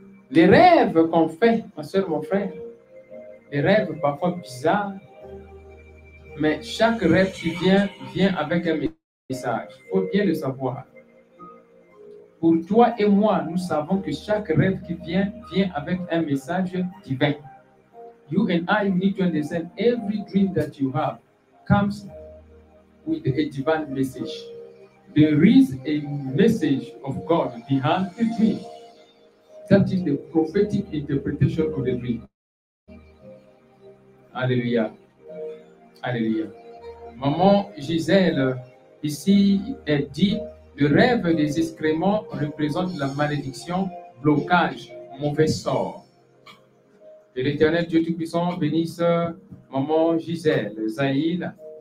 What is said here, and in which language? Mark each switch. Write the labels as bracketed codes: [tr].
[fr] Les rêves qu'on fait, ma soeur, mon frère, les rêves parfois bizarres, mais chaque rêve qui vient, vient avec un message. Il faut bien le savoir. Pour toi et moi, nous savons que chaque rêve qui vient, vient avec un message divin. [en] You and I need to understand every dream that you have comes with a divine message. There is a message of God behind the dream. That is the prophetic interpretation of the dream. Alléluia. Alléluia. [fr] Maman Gisèle, ici, elle dit, le rêve des excréments représente la malédiction, blocage, mauvais sort. Que l'Éternel Dieu Tout-Puissant bénisse Maman Gisèle, Zahil.